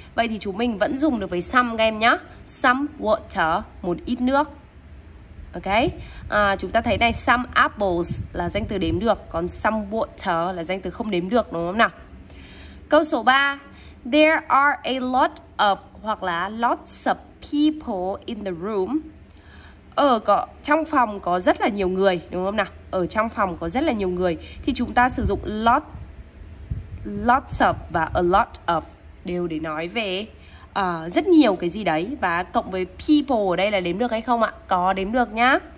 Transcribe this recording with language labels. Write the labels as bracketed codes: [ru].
[vi] Vậy thì chúng mình vẫn dùng được với some các em nhé. Some water, một ít nước. Ok, chúng ta thấy này, some apples là danh từ đếm được, còn some water là danh từ không đếm được đúng không nào? Câu số 3, there are a lot of [en] hoặc là lots of people in the room. [vi] Trong phòng có rất là nhiều người, đúng không nào? Ở trong phòng có rất là nhiều người thì chúng ta sử dụng lots of và a lot of đều để nói về rất nhiều cái gì đấy. Và cộng với people ở đây là đếm được hay không ạ? Có, đếm được nhá.